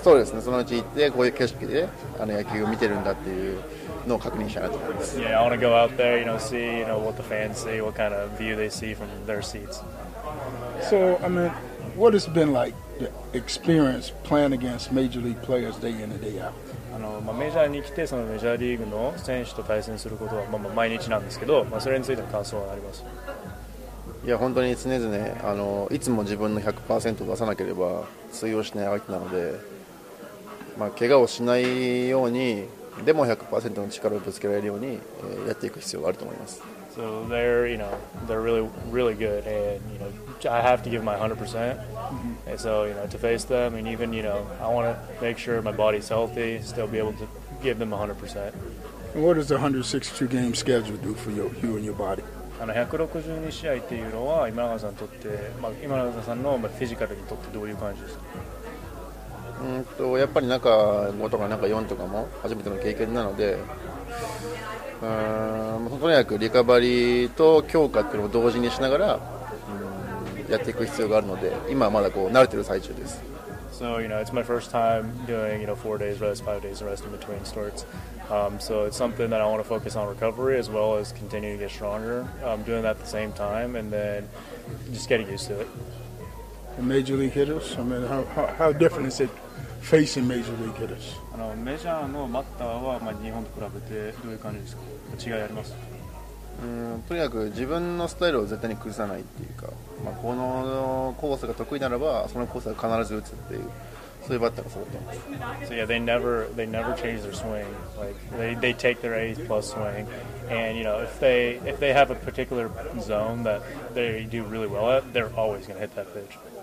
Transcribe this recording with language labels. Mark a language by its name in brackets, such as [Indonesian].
[Japanese] そうですね。そのうち行って、こういう景色で野球を見てるんだっていうのを確認したいなと思います。 [English] Yeah, I want to go out there, you know, see, you know, what the fans see, what kind of view they see from their seats. So, I mean, what has been like the experience playing against major league players day in and day out? [Japanese] メジャーに来てそのメジャーリーグの選手と対戦することは毎日なんですけど、それについての感想はあります？いや、本当に常々いつも自分の 100% を出さなければ通用しない相手なので、怪我をしないようにでも 100% の力をぶつけられるように、やっていく必要があると思います。 [English] So they're, you know, they're really, really good and, you know, I have to give my 100%. And so, you know, to face them and even, you know, I want to make sure my body's healthy, still be able to give them 100%. And what does the 162 game schedule do for you and your body? [Japanese] 162試合っていうのは今永さんにとって、今永さんのフィジカルにとってどういう感じですか？やっぱり中5とか中4とかも初めての経験なので、とにかくリカバリーと強化っていうのを同時にしながらやっていく必要があるので、今はまだこう慣れてる最中です。 [English] So, you know, it's my first time doing, you know, 4 days rest, 5 days rest in between starts. So it's something that I want to focus on recovery as well as continue to get stronger. Doing that at the same time and then just getting used to it. Major league hitters, I mean, how different is it facing major league hitters? [Japanese] メジャーのバッターは日本と比べてどういう感じですか？違いあります？とにかく自分のスタイルを絶対に崩さないっていうか、このコースが得意ならばそのコースは必ず打つっていう、そういうバッターがそうだと思います。 [English] So yeah, they never change their swing. Like, they take their A's plus swing. And, you know, if they have a particular zone that they do really well at, they're always going to hit that pitch.